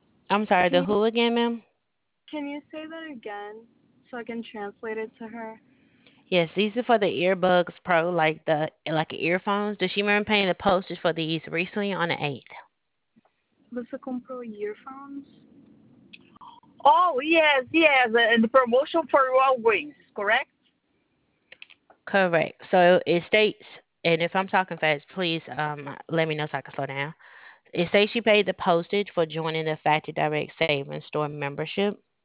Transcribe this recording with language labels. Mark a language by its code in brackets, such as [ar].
[en] I'm sorry, the who again, ma'am? Can you say that again so I can translate it to her? Yes, these are for the Earbuds Pro, like earphones. Does she remember paying the postage for these recently on the 8th? [pt] Você comprou earphones? [en] Oh, yes, and the promotion for Walgreens, correct? Correct. So it states, and if I'm talking fast, please let me know so I can slow down. It says she paid the postage for joining the Factory Direct Savings Store membership.